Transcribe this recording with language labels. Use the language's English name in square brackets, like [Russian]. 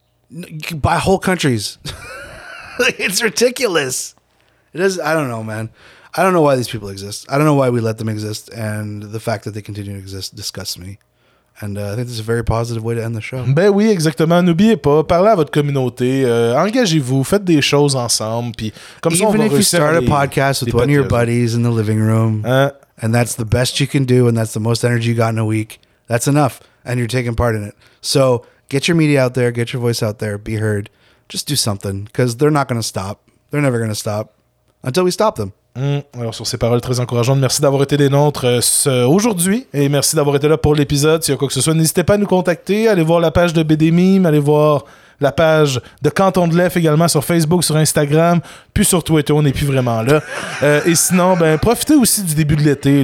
[English] You can buy whole countries. It's ridiculous. It is. I don't know, man. I don't know why these people exist. I don't know why we let them exist. And the fact that they continue to exist disgusts me. And I think this is a very positive way to end the show. [French] Ben oui, exactement. N'oubliez pas, parlez à votre communauté. Engagez-vous, faites des choses ensemble. Puis comme [English] even [French] ça, [English] if you start a podcast with one of your buddies in the living room, and that's the best you can do, and that's the most energy you got in a week, that's enough. And you're taking part in it. So... get your media out there. Get your voice out there. Be heard. Just do something. Because they're not going to stop. They're never going to stop. Until we stop them. [French] Alors, sur ces paroles très encourageantes, merci d'avoir été des nôtres aujourd'hui. Et merci d'avoir été là pour l'épisode. S'il y a quoi que ce soit, n'hésitez pas à nous contacter. Allez voir la page de BD Meme. Allez voir la page de Canton de l'Eff également sur Facebook, sur Instagram. Puis sur Twitter, on n'est plus vraiment là. Et sinon, ben, profitez aussi du début de l'été.